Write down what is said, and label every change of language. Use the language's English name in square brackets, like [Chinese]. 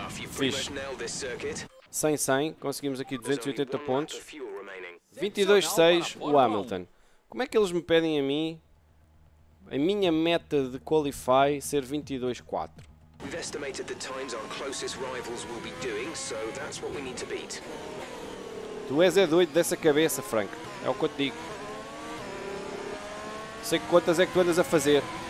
[Portuguese] Fixe. 100-100. Conseguimos aqui 280 pontos. 22-6 o Hamilton. Como é que eles me pedem a mim a minha meta de qualify ser 22-4? [English] We've estimated the times our closest rivals will be doing, so that's what we need to beat. [Portuguese] Tu és é doido dessa cabeça, Frank. É o que eu te digo. Sei que quantas é que tu andas a fazer.